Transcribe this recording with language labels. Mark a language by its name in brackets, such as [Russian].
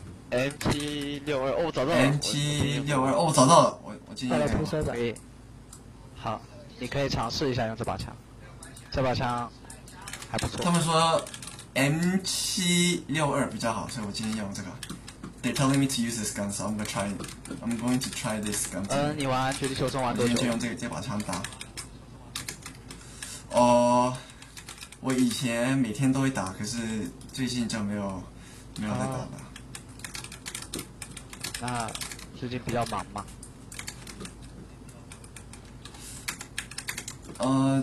[Chinese] M762，哦，我找到了。 M762，哦，我找到了。我进一下。快来推车吧。可以。好，你可以尝试一下用这把枪。这把枪。他们说 M762 比较好，所以我今天用这个。 [English] They're telling me to use this gun, so I'm going to try this gun. [Chinese] 你玩绝地求生玩多久？我今天就用这把枪打。我以前每天都会打，可是最近就没有再打了。那最近比较忙吗？